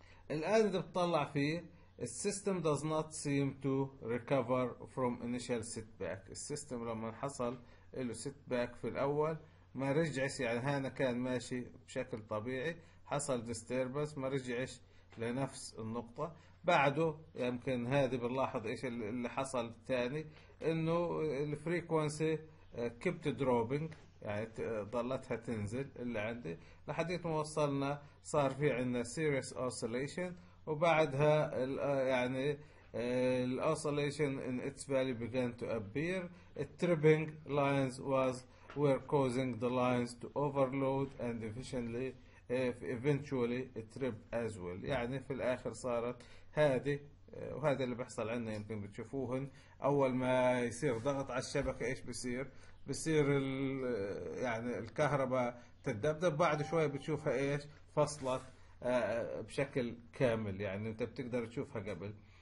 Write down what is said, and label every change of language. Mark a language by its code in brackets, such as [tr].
[ar] الان اذا بتطلع فيه السيستم [en] does not seem to recover from initial setback. [ar] السيستم لما حصل له setback في الاول ما رجعش، يعني هنا كان ماشي بشكل طبيعي، حصل disturbance ما رجعش لنفس النقطة بعده. يمكن هذا بنلاحظ ايش اللي حصل الثاني، انه الفريكوانسي [en] kept dropping، [ar] يعني ظلتها تنزل اللي عندي لحد ما وصلنا صار في عندنا [en] serious oscillation، [ar] وبعدها يعني الـ [en] oscillation in its value began to appear. The tripping lines were causing the lines to overload and efficiently eventually trip as well. [ar] يعني في الآخر صارت هذه، وهذا اللي بيحصل عندنا يمكن بتشوفوهن، أول ما يصير ضغط على الشبكة إيش بيصير؟ بيصير يعني الكهرباء تتذبذب، بعد شوية بتشوفها إيش؟ فصلت بشكل كامل، يعني انت بتقدر تشوفها قبل.